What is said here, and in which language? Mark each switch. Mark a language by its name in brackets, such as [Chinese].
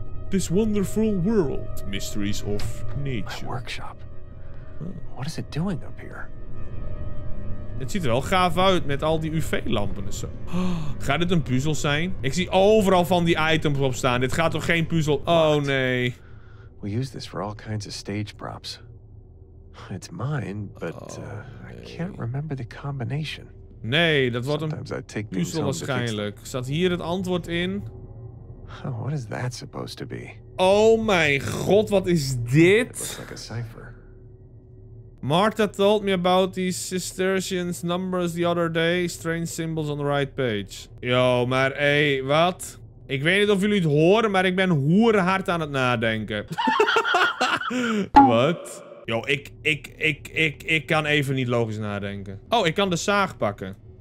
[English] This wonderful world, mysteries of nature. My workshop. What is it doing up here? [Dutch] Het ziet er wel gaaf uit met al die UV-lampen en zo. Oh, gaat dit een puzzel zijn? Ik zie overal van die items op staan. Dit gaat toch geen puzzel? Oh [English] what? [Dutch] Nee. [English] We use this for all kinds of stage props. It's mine, but I can't remember the combination. [Dutch] Nee, dat wordt [English] Sometimes [Dutch] een [English] I take [Dutch] puzzel waarschijnlijk. Staat hier het antwoord in? [English] Oh, what is that supposed to be? [Dutch] Oh mijn god, wat is dit? [English] It looks like a cipher. Martha told me about these Cistercians numbers the other day. Strange symbols on the right page. [Dutch] Yo, maar hey, wat? Ik weet niet of jullie het horen, maar ik ben hoerenhard aan het nadenken. Wat? Yo, ik kan even niet logisch nadenken. Oh, ik kan de zaag pakken.